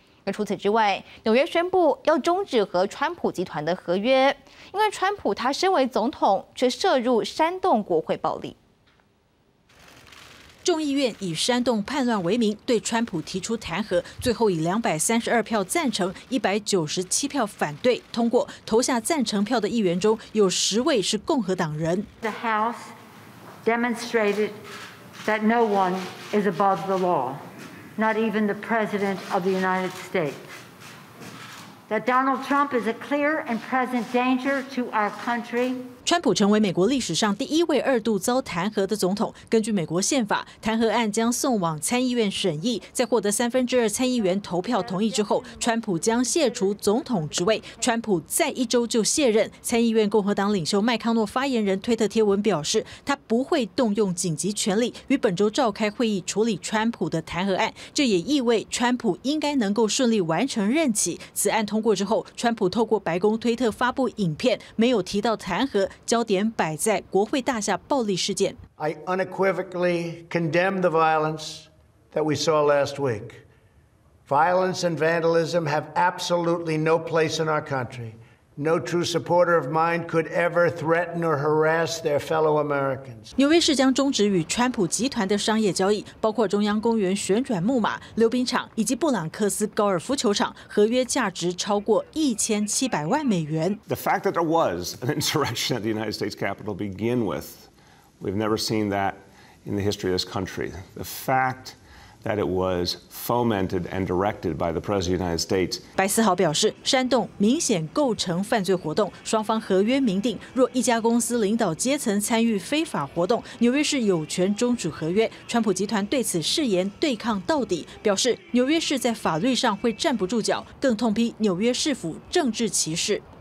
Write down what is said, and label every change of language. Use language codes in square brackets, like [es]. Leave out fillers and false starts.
[zh] 而除此之外，纽约宣布要终止和川普集团的合约，因为川普他身为总统，却涉入煽动国会暴力。众议院以煽动叛乱为名对川普提出弹劾，最后以232票赞成、197票反对通过。投下赞成票的议员中有10位是共和党人。 [en] The House demonstrated that no one is above the law, not even the President of the United States. That Donald Trump is a clear and present danger to our country. [zh] 川普成为美国历史上第一位二度遭弹劾的总统。根据美国宪法，弹劾案将送往参议院审议，在获得1/3参议员投票同意之后，川普将卸除总统职位。川普再一周就卸任。参议院共和党领袖麦康诺发言人推特贴文表示，他不会动用紧急权力于本周召开会议处理川普的弹劾案，这也意味川普应该能够顺利完成任期。此案通过之后，川普透过白宫推特发布影片，没有提到弹劾，焦点摆在国会大厦暴力事件。 [en] I unequivocally condemn the violence that we saw last week. Violence and vandalism have absolutely no place in our country. No true supporter of mine could ever threaten or harass their fellow Americans. [zh] 纽约市将终止与川普集团的商业交易，包括中央公园旋转木马、溜冰场以及布朗克斯高尔夫球场，合约价值超过$17,000,000。 [en] The fact that there was an insurrection at the United States Capitol begin with, we've never seen that in the history of this country. The fact. That it was fomented and directed by the President of the United States. [zh] 白思豪表示，煽动明显构成犯罪活动，双方合约明定，若一家公司领导阶层参与非法活动，纽约市有权终止合约。川普集团对此誓言对抗到底，表示纽约市在法律上会站不住脚，更痛批纽约市府政治歧视。